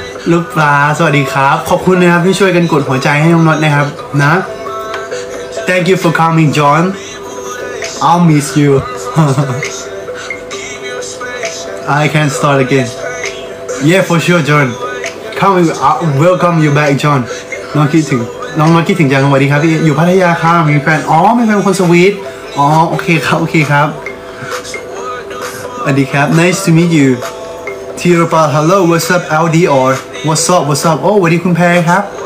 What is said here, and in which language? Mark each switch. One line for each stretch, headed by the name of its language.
Thai: ลูกปลาสวัสดีครับขอบคุณนะครับที่ช่วยกันกดหัวใจให้น้องน็อตนะครับนะ
English: Thank you for coming John I'll miss you I can start again Yeah for sure John Come welcome you back John
Thai: น้องคิดถึงน้องน็อตคิดถึงจังสวัสดีครับพี่อยู่พัทยาครับมีแฟนอ๋อมีแฟนคนสวีทอ๋อโอเคครับโอเคครับ สวัสดีครับ
English: Nice to meet youTirupa, hello, what's up, LDR? What's up? Oh, what do you compare, ครับ